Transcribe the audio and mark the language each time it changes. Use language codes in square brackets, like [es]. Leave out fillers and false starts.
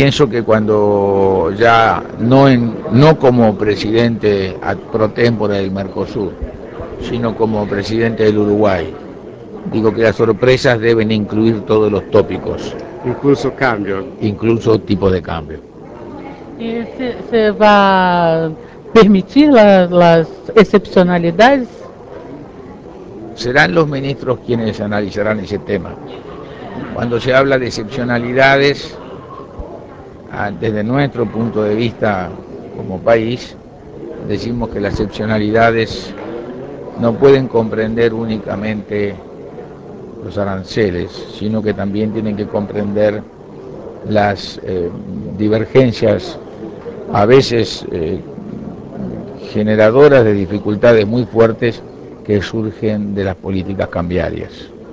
[es] que cuando ya no como presidente pro tempore del Mercosur, sino como presidente del Uruguay, digo que las sorpresas deben incluir todos los tópicos, Incluso cambio. incluso tipo de cambio. [pt] E se vai permitir as excepcionalidades? [es] Serán los ministros quienes analizarán ese tema. Cuando se habla de excepcionalidades, desde nuestro punto de vista como país, decimos que las excepcionalidades no pueden comprender únicamente los aranceles, sino que también tienen que comprender las divergencias, a veces generadoras de dificultades muy fuertes, que surgen de las políticas cambiarias.